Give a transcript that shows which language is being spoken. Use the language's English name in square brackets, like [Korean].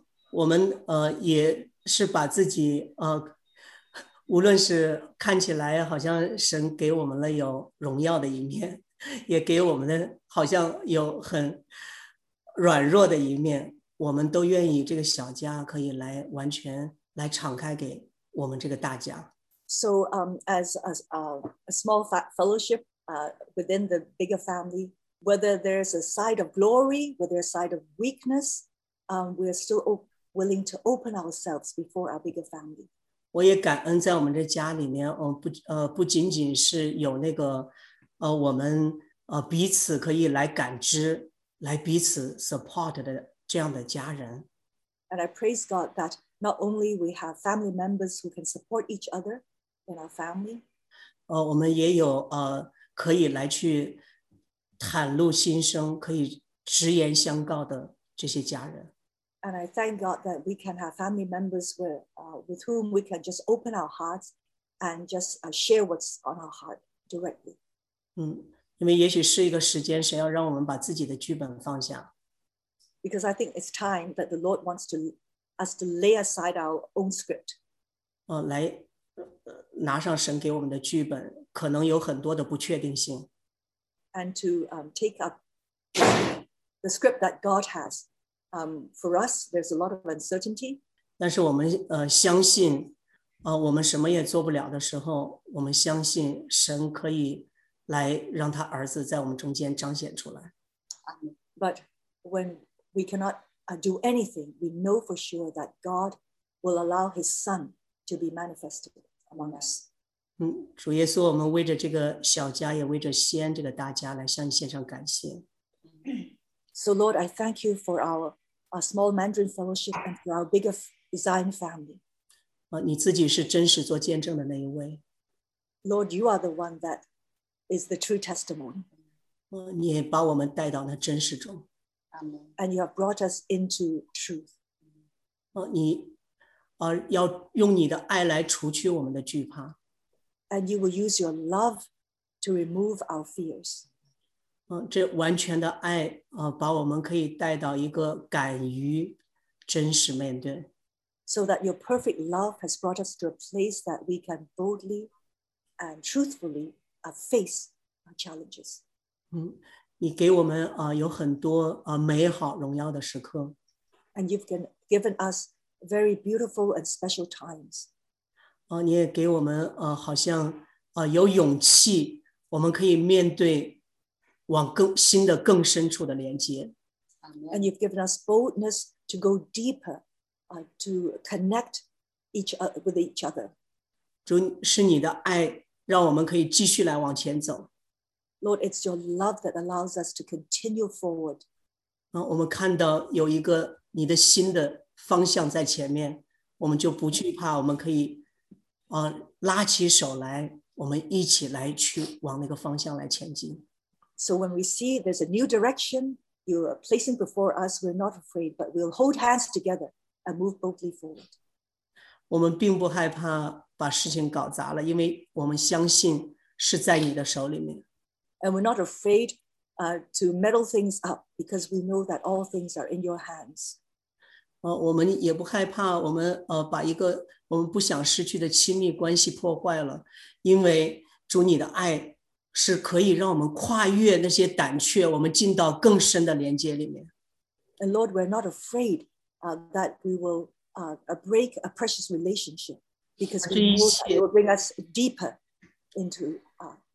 [Chinese] 我们也是把自己无论是看起来好像神给我们了有荣耀的一面，也给我们的好像有很软弱的一面，我们都愿意这个小家可以来完全来敞开给我们这个大家。 [English] So, as a small fellowship, within the bigger family. Whether there's a side of glory, whether a side of weakness, we're still willing to open ourselves before our bigger family. [Chinese] 我也感恩在我们这家里面，不仅仅是有那个，我们彼此可以来感知，来彼此 support 的这样的家人。 [English] And I praise God that not only we have family members who can support each other in our family. [Chinese] 我们也有可以来去。袒露心声可以直言相告的这些家人 [English] and I thank God that we can have family members with whom we can just open our hearts and just share what's on our heart directly [Chinese] 因为也许是一个时间神要让我们把自己的剧本放下 [English] because I think it's time that the Lord wants to us to lay aside our own script [Chinese] 来拿上神给我们的剧本可能有很多的不确定性 [English] And to take up the script that God has. For us, there's a lot of uncertainty. [Chinese] 但是我们相信我们什么也做不了的时候我们相信神可以来让他儿子在我们中间彰显出来。 [English] But when we cannot do anything, we know for sure that God will allow his son to be manifested among us. [Chinese] 主耶稣，我们为着这个小家，也为着西安这个大家，来向你献上感谢。 [English] So Lord, I thank you for our small Mandarin fellowship and for our bigger design family. [Chinese] 你自己是真实做见证的那一位。 [English] Lord, you are the one that is the true testimony. [Chinese] 你也把我们带到那真实中。 [English] Amen. And you have brought us into truth. [Chinese] 你要用你的爱来除去我们的惧怕。 [English] And you will use your love to remove our fears. [Chinese] 这完全的爱把我们可以带到一个敢于真实面对。 [English] So that your perfect love has brought us to a place that we can boldly and truthfully face our challenges. [Chinese] 你给我们有很多美好荣耀的时刻。 [English] And you've given us very beautiful and special times. [Chinese] 你也给我们好像有勇气我们可以面对往更新的更深处的连接。 [English] And you've given us boldness to go deeper, to connect with each other. [Chinese] 主是你的爱让我们可以继续来往前走。 [English] Lord, it's your love that allows us to continue forward. [Chinese] 我们看到有一个你的新的方向在前面我们就不惧怕我们可以拉起手来我们一起来去往那个方向来前进 [English] So when we see there's a new direction you are placing before us we're not afraid but we'll hold hands together and move boldly forward [Chinese] 我们并不害怕把事情搞砸了因为我们相信是在你的手里面 [English] And we're not afraid to meddle things up because we know that all things are in your hands [Chinese] 我们也不害怕我们把一个我们不想失去的亲密关系破坏了因为主你的爱是可以让我们跨越那些胆怯我们进到更深的连接里面 [English] And Lord, we're not afraid that we will break a precious relationship because we know that it will bring us deeper into a